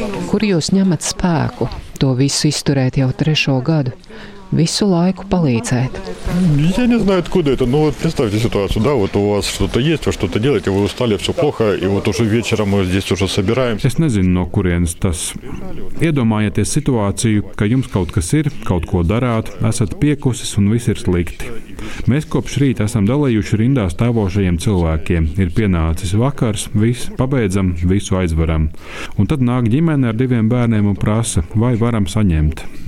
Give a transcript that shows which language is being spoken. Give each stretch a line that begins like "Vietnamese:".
Latvian: Kur jūs ņemat spēku to visu izturēt jau trešo gadu? Visu laiku palīdzēt.
Russian: Я не знаю, откуда это, но представьте ситуацию, да, вот у вас что-то есть, вы что-то делаете, вы устали, все плохо, и вот уже вечером мы здесь уже собираемся.
Latvian: Es nezinu, no kurienes tas. Iedomājieties situāciju, ka jums kaut kas ir, kaut ko darāt, esat piekusis un viss ir slikti. Mēs kopš rīta esam dalījuši rindā stāvošajiem cilvēkiem. Ir pienācis vakars, viss, pabeidzam, visu aizvaram. Un tad nāk ģimene ar diviem bērniem un prasa, vai varam saņemt.